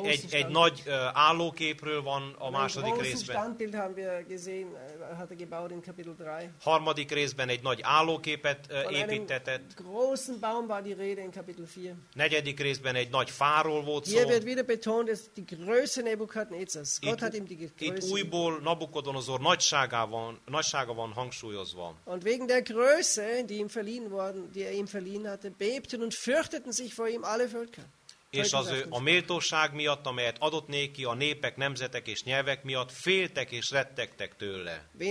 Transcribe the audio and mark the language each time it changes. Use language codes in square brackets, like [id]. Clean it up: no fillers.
[hu] Egy nagy állóképről van a második részben. [de] Standbild haben wir gesehen, hat gebaut in Kapitel 3. [hu] Harmadik részben egy nagy állóképet építetett. [de] Großen Baum war die Rede in Kapitel 4. [hu] Negyedik részben egy nagy fáról volt szó. [de] Hier wird wieder betont, dass die Größe Nebukadnezars. Gott hat ihm die Größe. [hu] Itt újból Nabukodonozor nagysága van hangsúlyozva. [de] Und wegen der Größe, die ihm verliehen worden, die er ihm verliehen hatte, bebten und fürchteten sich vor ihm alle Völker. [hu] És az ő a méltóság miatt, amelyet adott néki, a népek, nemzetek és nyelvek miatt féltek és rettegtek tőle.